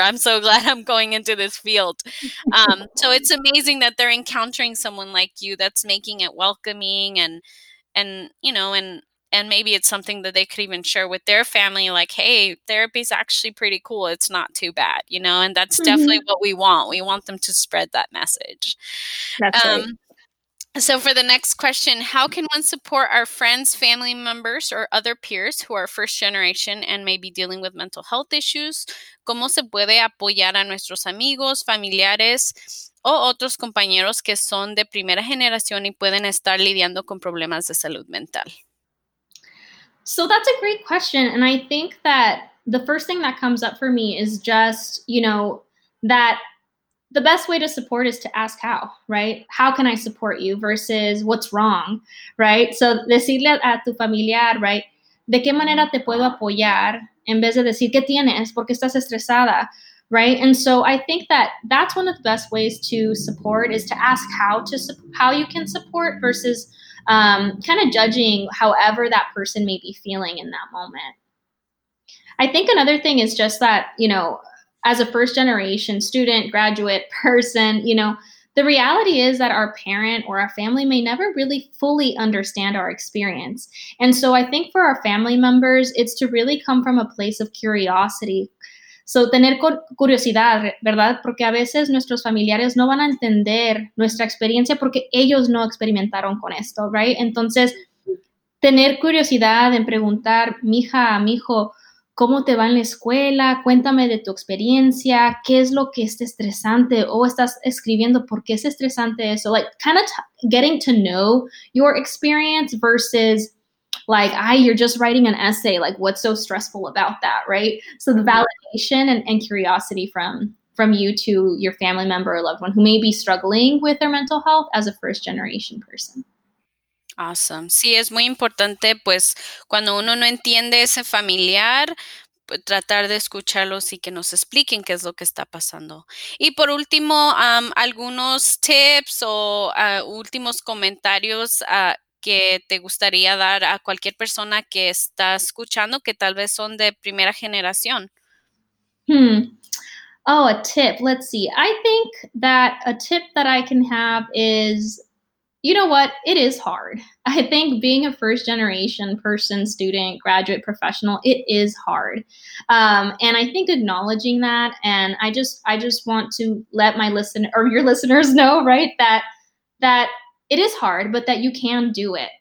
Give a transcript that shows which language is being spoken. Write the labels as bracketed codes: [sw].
[en] I'm so glad I'm going into this field. So it's amazing that they're encountering someone like you that's making it welcoming and, you know, and maybe it's something that they could even share with their family, like, hey, therapy is actually pretty cool. It's not too bad, you know, and that's mm-hmm. definitely what we want. We want them to spread that message. That's right. So for the next question, how can one support our friends, family members, or other peers who are first generation and may be dealing with mental health issues? [es] ¿Cómo se puede apoyar a nuestros amigos, familiares, o otros compañeros que son de primera generación y pueden estar lidiando con problemas de salud mental? [en] So that's a great question. And I think that the first thing that comes up for me is just, you know, that the best way to support is to ask how, right? How can I support you versus what's wrong, right? [es] So decirle a tu familiar, right? ¿De qué manera te puedo apoyar? En vez de decir, ¿qué tienes? ¿Por qué estás estresada? Right? [en] And so I think that that's one of the best ways to support is to ask how you can support versus kind of judging however that person may be feeling in that moment. I think another thing is just that, you know, as a first generation student, graduate person, you know, the reality is that our parent or our family may never really fully understand our experience. And so I think for our family members, it's to really come from a place of curiosity. [es] So tener curiosidad, ¿verdad? Porque a veces nuestros familiares no van a entender nuestra experiencia porque ellos no experimentaron con esto, right? Entonces, tener curiosidad en preguntar, mija, mijo, ¿cómo te va en la escuela? Cuéntame de tu experiencia. ¿Qué es lo que es estresante? ¿O estás escribiendo por qué es estresante eso? [en] Like, kind of getting to know your experience versus, like, you're just writing an essay. Like, what's so stressful about that, right? So the validation and curiosity from you to your family member or loved one who may be struggling with their mental health as a first-generation person. Awesome. [es] Sí, es muy importante, pues, cuando uno no entiende ese familiar, tratar de escucharlos y que nos expliquen qué es lo que está pasando. Y por último, algunos tips o últimos comentarios que te gustaría dar a cualquier persona que está escuchando, que tal vez son de primera generación. [en] Oh, a tip. Let's see. I think that a tip that I can have is, you know what? It is hard. I think being a first generation person, student, graduate, professional, it is hard. And I think acknowledging that, and I just want to let my listener or your listeners know, right, that it is hard, but that you can do it.